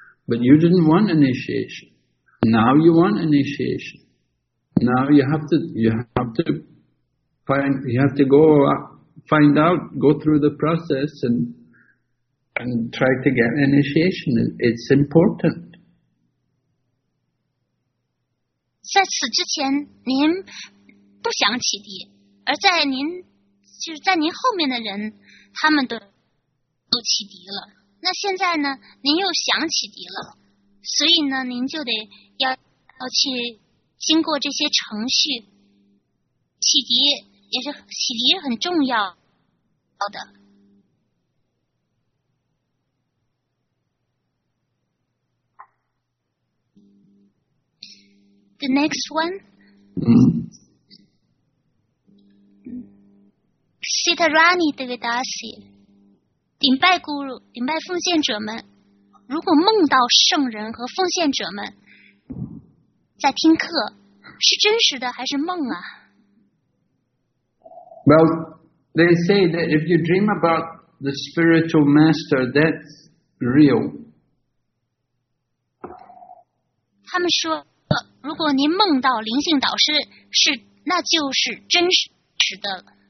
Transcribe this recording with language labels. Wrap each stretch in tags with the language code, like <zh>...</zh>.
<en>But you didn't want initiation. Now you want initiation. Now you have to go find out, go through the process and try to get initiation. It's important.</en> <zh>在此之前，您不想启迪，而在您就是在您后面的人，他们都启迪了。那现在呢，您又想启迪了，所以呢，您就得要去经过这些程序，启迪也很重要的。</zh> <en>The next one,</en> <zh>Sitarani Devadasi, 顶拜孤儒，顶拜奉献者们，如果梦到圣人和奉献者们在听课，是真实的还是梦啊？</zh> <en>Well, they say that if you dream about the spiritual master, that's real.</en> <zh>他们说如果您梦到灵性导师是，那就是真实的</zh>